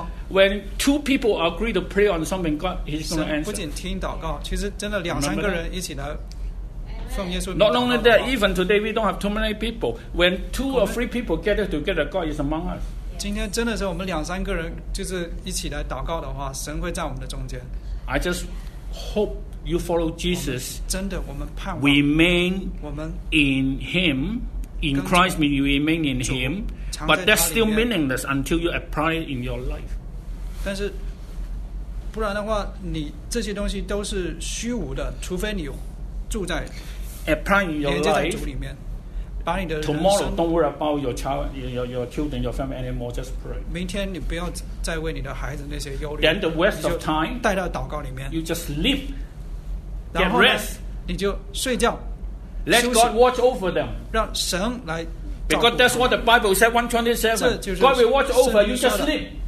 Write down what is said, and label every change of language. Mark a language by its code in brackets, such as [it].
[en] When two people agree to pray on something, God is going to answer. [zh] 不仅听祷告，其实真的两三个人一起来奉耶稣。 [en] Not only that, even today we don't have too many people. When two or three people gather together, God is among us. [zh] 今天真的是我们两三个人就是一起来祷告的话，神会在我们的中间。 [en] I just hope you follow Jesus. [zh] 真的，我们盼望。 [en] Remain in Him. In Christ, mean you remain in Him, but that's still meaningless until you apply in your life. [zh] 但是，不然的话，你这些东西都是虚无的，除非你住在 [en] apply in your life [zh] 里面，把你的 [en] tomorrow don't worry about your child, your children, your family anymore. Just pray. [zh] 明天你不要再为你的孩子那些忧虑。 [en] Then the rest of time [zh] 带到祷告里面。 [en] You just sleep, get rest. [zh] 你就睡觉。 [en] Let God watch over them. [zh] 让神来照顾。 [en] Because that's what the Bible said, 127. God will watch over you. Just sleep.